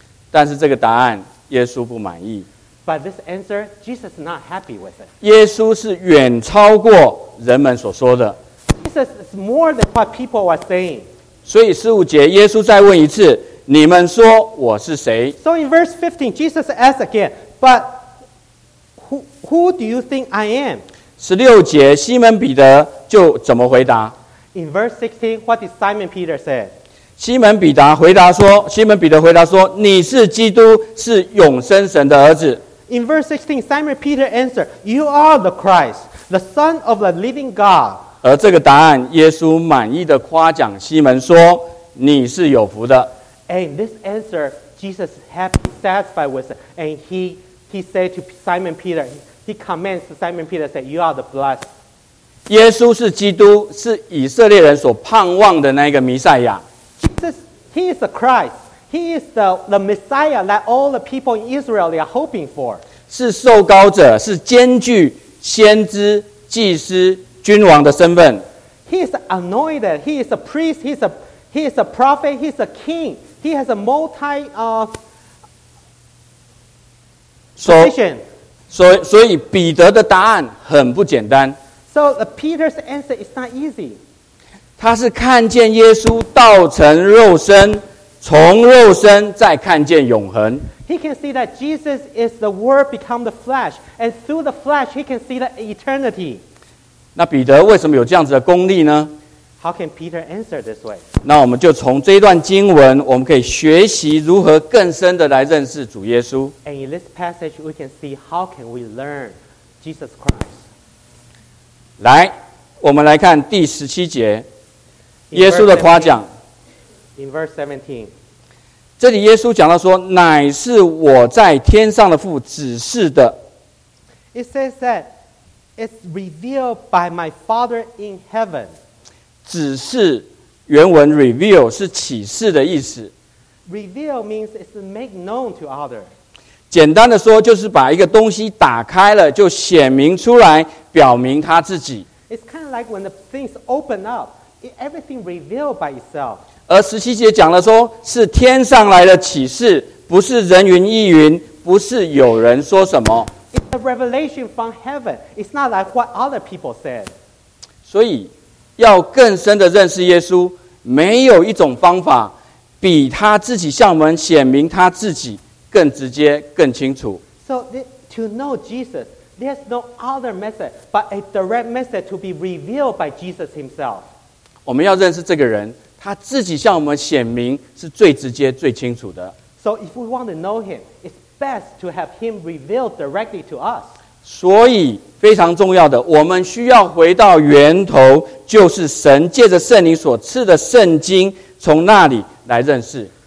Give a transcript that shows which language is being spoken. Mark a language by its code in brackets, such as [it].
[zh] 但是这个答案，耶稣不满意。 [en] But this answer, Jesus is not happy with it. [zh] 耶稣是远超过人们所说的。 [en] Jesus is more than what people are saying. [zh] 所以十五节，耶稣再问一次：“你们说我是谁？” [en] So in verse 15, Jesus asks again, "But who do you think I am?" [zh] 十六节，西门彼得就怎么回答 [en] ？In verse 16, what did Simon Peter say? [zh] 西门彼得回答说：“西门彼得回答说，你是基督，是永生神的儿子。” [en] In verse 16, Simon Peter answered, "You are the Christ, the Son of the Living God." [zh] 而这个答案，耶稣满意的夸奖西门说：“你是有福的。” [en] And this answer, Jesus happy satisfied with it, and he said to Simon Peter, he commands Simon Peter, said, "You are the blessed." [zh] 耶稣是基督，是以色列人所盼望的那个弥赛亚。 [en] Jesus, he is the Christ. He is the Messiah that all the people in Israel are hoping for. [zh] 是受膏者，是兼具先知、祭司。君王的身份 [en] He is anointed. He is a priest. He is a prophet. He is a king. He has a multi position. [zh] So, 彼得的答案很不简单 [en] So, Peter's answer is not easy. [zh] 他是看见耶稣道成肉身，从肉身再看见永恒 [en] He can see that Jesus is the Word become the flesh, and through the flesh, he can see the eternity. [zh] 那彼得为什么有这样子的功力呢 [en] ？How can Peter answer this way？ [zh] 那我们就从这一段经文，我们可以学习如何更深的来认识主耶稣。 [en] And in this passage, we can see how can we learn Jesus Christ。 [zh] 来，我们来看第十七节，耶稣的夸奖。 [en] In verse 17， [zh] 这里耶稣讲到说：“乃是我在天上的父指示的。” [en] It says that. It's revealed by my Father in heaven. [zh] 指示原文 reveal 是启示的意思。 [en] Reveal means it's make known to others. [zh] 简单的说，就是把一个东西打开了，就显明出来，表明他自己。 [en] It's kind of like when the things open up, everything revealed by itself. [zh] 而十七节讲了说，是天上来的启示，不是人云亦云，不是有人说什么。 [en] It's a revelation from heaven. It's not like what other people said. [zh] 所以，要更深的认识耶稣，没有一种方法比他自己向我们显明他自己更直接、更清楚。 [en] So to know Jesus, there's no other method but a direct method to be revealed by Jesus Himself. [zh] 我们要认识这个人，他自己向我们显明是最直接、最清楚的。 [en] So if we want to know Him, it's best to have him revealed directly to us. [zh] 所以非常重要的，我们需要回到源头，就是神借着圣灵所赐的圣经，从那里来认识。